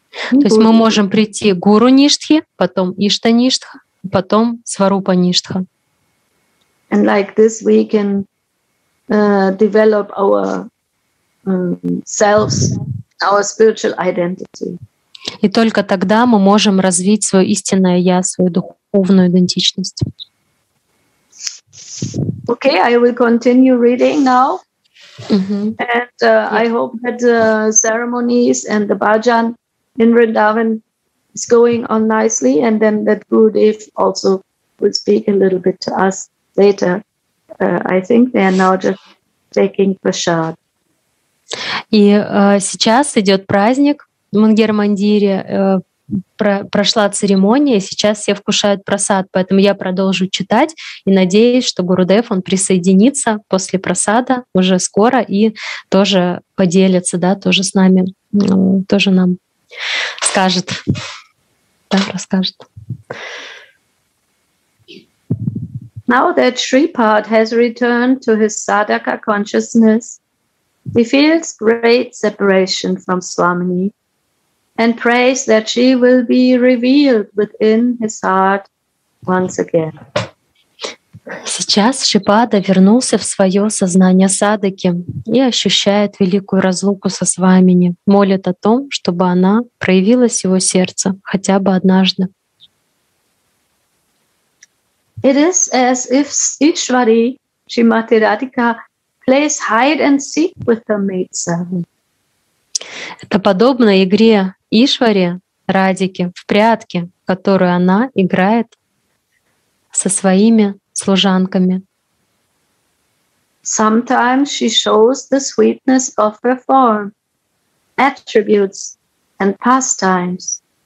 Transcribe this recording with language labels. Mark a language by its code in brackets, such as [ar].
[ru] То есть мы можем прийти к гуру ништхи, потом ишта ништха, потом сварупа ништха. [en] And like this we can develop our selves, our spiritual identity. [ru] И только тогда мы можем развить свое истинное я, свою духовную идентичность. [en] Okay, I will continue reading now. Mm-hmm. And I hope that the ceremonies and the bhajan in Vrindavan is going on nicely, and then that Gurudev also will speak a little bit to us later. I think they are now just taking prasad. [ru] И сейчас идет праздник в Мангер-Мандире, прошла церемония, сейчас все вкушают прасад, поэтому я продолжу читать и надеюсь, что Гурудев, он присоединится после прасада уже скоро и тоже поделится, да, тоже с нами, тоже нам скажет, да, расскажет. [en] Now that Sripad has returned to his sadhaka consciousness, he feels great separation from Swamini and prays that she will be revealed within his heart once again. [ru] Сейчас Шипада вернулся в свое сознание садаки и ощущает великую разлуку со Свамини, молит о том, чтобы она проявилась в его сердце хотя бы однажды. [en] It is as if Ishvari, Shrimati Radhika, plays hide and seek with her maidservant. [ru] Это подобно игре Ишвари Радики в прятки, которую она играет со своими служанками. [en] Sometimes she shows the sweetness of her form, attributes and pastimes.